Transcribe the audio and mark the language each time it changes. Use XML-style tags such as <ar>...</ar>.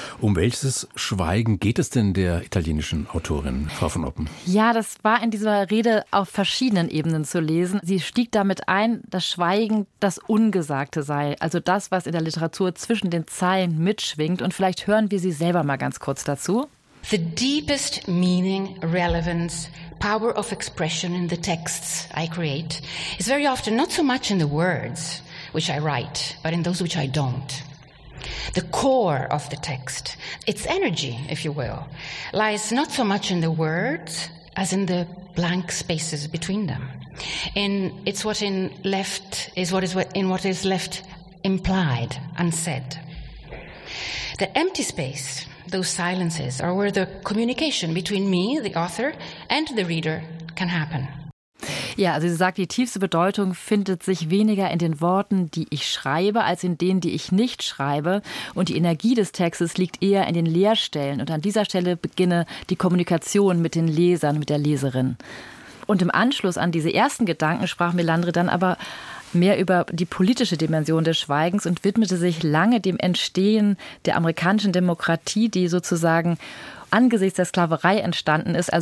<de>Um welches Schweigen geht es denn der italienischen Autorin, Frau von Oppen? Ja, das war in dieser Rede auf verschiedenen Ebenen zu lesen. Sie stieg damit ein, dass Schweigen das Ungesagte sei, also das, was in der Literatur zwischen den Zeilen mitschwingt. Und vielleicht hören wir sie selber mal ganz kurz dazu.</de> <en>The deepest meaning, relevance, power of expression in the texts I create is very often not so much in the words which I write, but in those which I don't. The core of the text, its energy, if you will, lies not so much in the words as in the blank spaces between them. In it's what in left is what is in what is left implied, unsaid. The empty space, those silences, are where the communication between me, the author, and the reader can happen.</en> <de>Ja, also sie sagt, die tiefste Bedeutung findet sich weniger in den Worten, die ich schreibe, als in denen, die ich nicht schreibe. Und die Energie des Textes liegt eher in den Leerstellen. Und an dieser Stelle beginne die Kommunikation mit den Lesern, mit der Leserin. Und im Anschluss an diese ersten Gedanken sprach Melandri dann aber mehr über die politische Dimension des Schweigens und widmete sich lange dem Entstehen der amerikanischen Demokratie, die sozusagen angesichts der Sklaverei entstanden ist.</de>